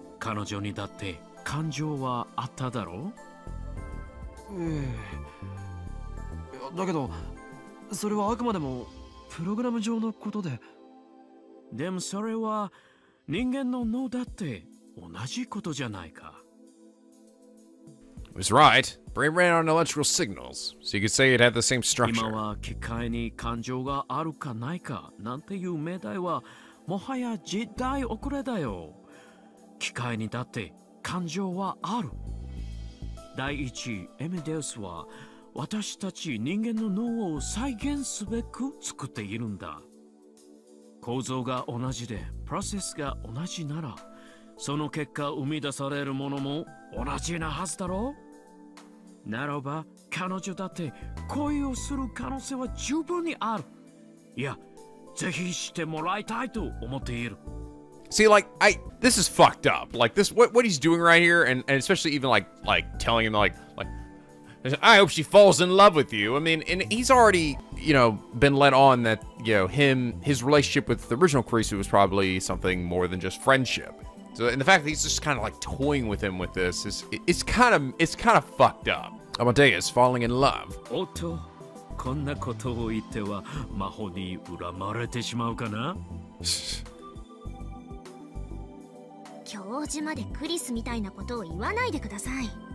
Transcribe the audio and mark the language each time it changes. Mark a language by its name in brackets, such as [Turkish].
[Japanese] 彼女にだって感情はあっただろう。ええ、だけどそれはあくまでもプログラム上のことで。でもそれは人間の脳だって同じことじゃないか。 [English] It was right. Brain ran on electrical signals, so you could say it had the same structure. [Japanese] 今は機械に感情があるかないかなんていう命題はもはや時代遅れだよ。機械にだって感情はある。第一、エメデウスは私たち人間の脳を再現すべく作っているんだ。構造が同じでプロセスが同じなら、その結果生み出されるものも同じなはずだろう。ならば彼女だって恋をする可能性は十分にある。いや、ぜひしてもらいたいと思っている。 [English] See, like, this is fucked up. Like, this, what he's doing right here, and especially even, like telling him, like, I hope she falls in love with you. I mean, and he's already, you know, been let on that, you know, his relationship with the original Kurisu was probably something more than just friendship. So, and the fact that he's just kind of, like, toying with him with this is, it's kind of fucked up. Amadeus falling in love. [Japanese] Otto, こんなことを言っては魔法に恨まれてしまうかな? 教授までクリスみたいなことを言わないでください。